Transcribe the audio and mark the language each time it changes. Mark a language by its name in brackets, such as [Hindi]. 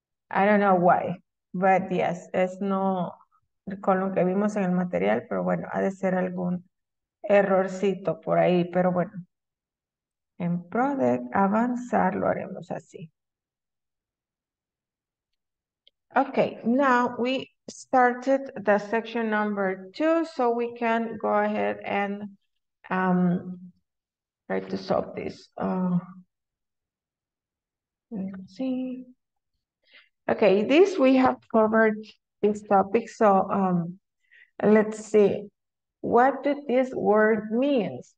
[English] I don't know why, but yes, [Spanish] es no... con lo que vimos en el material, pero bueno, ha de ser algún errorcito por ahí, pero bueno, en pro de avanzar lo haremos así. [English] Okay, now we started the section number two, so we can go ahead and try to solve this. Let's see. Okay, this we have covered this topic, so let's see, what did this word means?